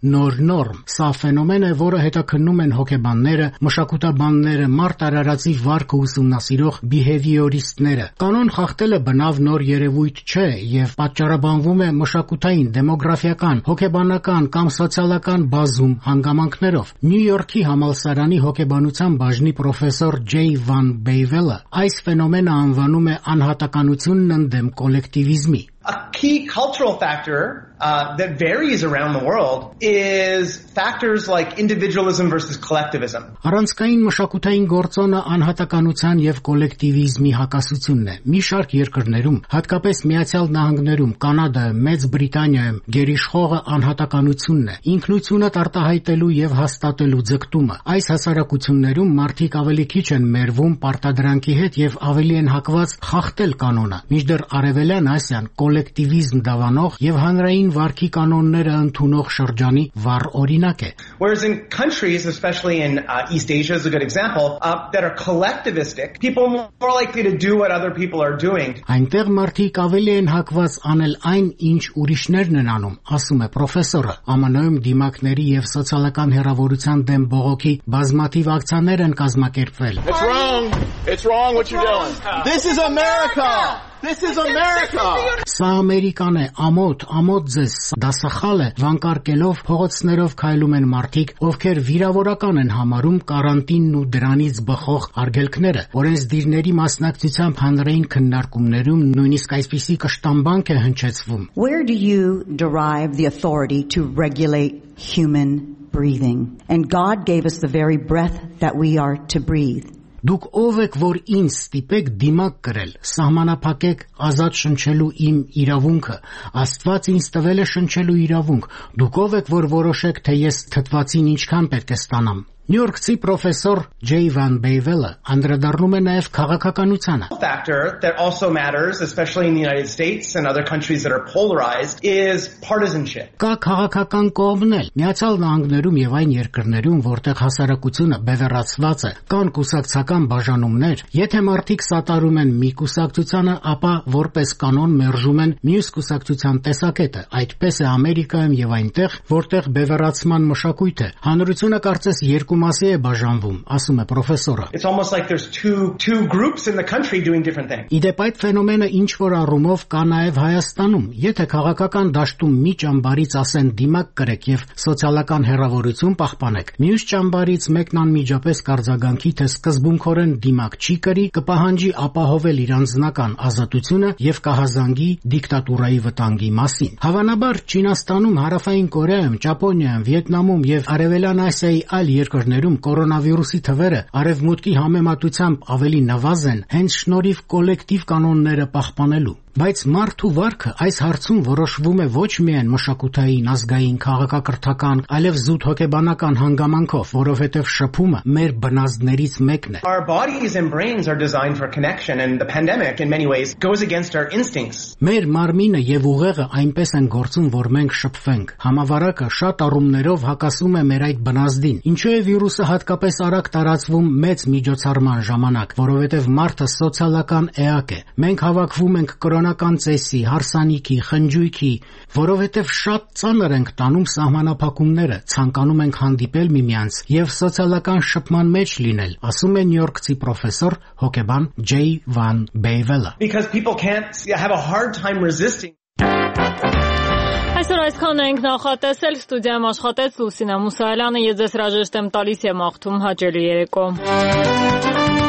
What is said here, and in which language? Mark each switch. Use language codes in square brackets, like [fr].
[hy] նոր նորմ։ Սա ֆենոմեն է, որը հետաքննում են հոգեբանները, մշակութաբանները, մարդ արարածի վարկը ուսումնասիրող բիհևիորիստները։ Կանոն խախտելը բնավ նոր երևույթ չէ և պատճառաբանվում է մշակութային, դեմոգրաֆիական, հոգեբանական կամ սոցիալական բազում հանգամանքներով։ Նյու Յորքի համալսարանի հոգեբանության բաժնի պրոֆեսոր Ջեյ Վան Բեյվելը այս ֆենոմեն նա անվանում է անհատականությունն ընդդեմ կոլեկտիվիզմի։ [en] A key cultural factor that varies around the world is factors like individualism versus collectivism. [hy] Արանցքային մշակութային գործոնը անհատականության եւ կոլեկտիվիզմի հակասությունն է։ Մի շարք երկրներում, հատկապես Միացյալ Նահանգներում, Կանադայում, Մեծ Բրիտանիայում գերիշխողը անհատականությունն է, ինքնությունը տարտահայտելու եւ հաստատելու ձգտումը։ Այս հասարակություններում մարդիկ ավելի քիչ են մերվում պարտադրանքի հետ եւ ավելի են հակված խախտել կանոնը։ Մինչդեռ Արևելյան Ասիան կոլեկտիվիզմ դավանող եւ հանրային վարքի կանոնները ընդունող շրջանի վառ օրինակ է։ [en] Whereas in countries, especially in East Asia is a good example, that are collectivistic, people more likely to do what other people are doing. [hy] Այնտեղ մարդիկ ավելի են հակված անել այն, ինչ ուրիշներն են անում, ասում է պրոֆեսորը։ ԱՄՆ-ում դիմակների եւ սոցիալական հեռավորության դեմ բողոքի բազմաթիվ ակցիաներ են կազմակերպվել։ [en] It's wrong. It's wrong what you're doing. This is America. This is America. [hy] Սա Ամերիկան է, ամոթ, ամոթ ձեզ, դասախալ է, վանկարկելով, փողոցներով քայլում են մարդիկ, ովքեր վիրավորական են համարում կարանտինն ու դրանից բխող արգելքները։ Օրենսդիրների մասնակցությամբ հանրային քննարկումներում նույնիսկ այսպիսի կշտամբանք է հնչեցվում. [en] Where do you derive the authority to regulate human breathing? And God gave us the very breath that we are to breathe. [hy] Դուք ով եք, որ ինձ ստիպեք դիմակ կրել, սահմանափակեք ազատ շնչելու իմ իրավունքը, Աստված ինձ տվել է շնչելու իրավունք, դուք ով եք, որ որոշեք, թե ես թթվածին ինչքան պետք է ստանամ։ New York-ի պրոֆեսոր Jay Van Bevel-ը անդրադառնում է նաև քաղաքականությանը. [en] A factor that also matters, especially in the United States and other countries that are polarized, is partisanship. [hy] Կա քաղաքական կողմնել Միացյալ Նահանգներում եւ այն երկրներում, որտեղ հասարակությունը բևեռացված է, կան կուսակցական բաժանումներ, եթե մարդիկ սատարում են մի կուսակցությանը, ապա որպես կանոն մերժում են մյուս կուսակցության տեսակետը, այդպես է Ամերիկայում եւ այնտեղ, որտեղ բևեռացման մշակույթ է։ Հանրությունը կարծես երկու մասի է բաժանվում, ասում է պրոֆեսորը. [en] It's almost like there's two groups in the country doing different things. [hy] Իդեպ այդ ֆենոմենը ինչ որ առումով կա նաև Հայաստանում, եթե քաղաքական դաշտում մի ճամբարից ասեն դիմակ կրեք եւ սոցիալական հերավորություն պահպանեք, մյուս ճամբարից մեկն անմիջապես կարձագանքի, թե սկզբունքորեն դիմակ չի կրի, կպահանջի ապահովել իր անձնական ազատությունը եւ կահազանգի դիկտատուրայի վտանգի մասին։ Հավանաբար Չինաստանում, Հարավային Կորեայում, Ճապոնիայում, Վիետնամում եւ Արևելյան Ասիայի երկրներում կորոնավիրուսի թվերը արևմուտքի համեմատությամբ ավելի նվազ են, հենց շնորհիվ կոլեկտիվ կանոնները պահպանելու։ Բայց մարդ ու վարկը այս հարցում որոշվում է ոչ միայն մշակութային, ազգային, քաղաքակրթական, այլև զուտ հոգեբանական հանգամանքով, որովհետև շփումը մեր բնազդներից մեկն է։ [en] Our bodies and brains are designed for connection and the pandemic in many ways goes against our instincts. [hy] Մեր մարմինը եւ ուղեղը այնպես են գործում, որ մենք շփվենք։ Համավարակը շատ առումներով հակասում է մեր այդ բնազդին։ Ինչու է վիրուսը հատկապես արագ տարածվում մեծ միջոցառման ժամանակ, որովհետև մարդը սոցիալական էակ է։ Մենք հավաքվում ենք կորոնական ցեսի, հարսանիքի, խնջույքի, որովհետև շատ ծանր ենք տանում սահմանափակումները, ցանկանում ենք հանդիպել միմյանց եւ սոցիալական շփման մեջ լինել, ասում է Նյու Յորքցի պրոֆեսոր հոկեբան Jay Van Bevel-ը. [en] Because people can't have a hard time resisting. [hy] Այսօր այսքան ենք նախատեսել, ստուդիայում աշխատեց Լուսինե Մուսայելյանը, ես ձեզ հրաժեշտ եմ տալիս եմ աղթում հաճելի երեկո։